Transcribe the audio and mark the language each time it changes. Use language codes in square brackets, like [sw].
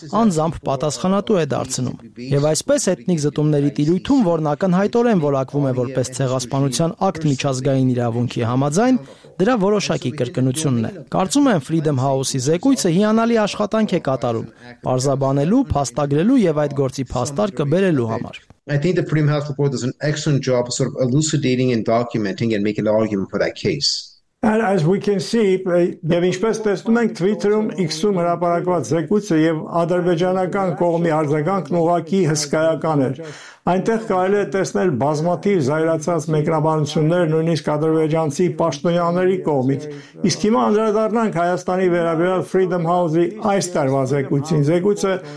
[hy] անզամբ պատասխանատու է դարձնում։ Եվ այսպես էթնիկ զտումների տիրույթում, որն ակնհայտորեն որակվում է որպես ցեղասպանության ակտ միջազգային իրավունքի համաձայն, դրա որոշակի կրկնությունն է։ Կարծում եմ, Freedom House-ի զեկույցը հիանալի աշխատանք է կատարում՝ պարզաբանելու, փաստագրելու եւ այդ գործի փաստարկը բերելու համար։ [en] I think the Freedom House report does an excellent job sort of elucidating and documenting and making an argument for that case. And as we can see, [hy] եւ ինչպես տեսնում ենք Twitter-ում X-ում հրապարակված զեկույցը եւ ադրբեջանական կողմի արձագանքն ուղղակի հսկայական էր։ Այնտեղ կարելի է տեսնել բազմաթիվ զայրացած մեկնաբանություններ նույնիսկ ադրբեջանցի պաշտոնյաների կողմից։ Իսկ հիմա անդրադառնանք Հայաստանի վերաբերյալ Freedom House-ի այս տարվա զեկույցին։ Զեկույցը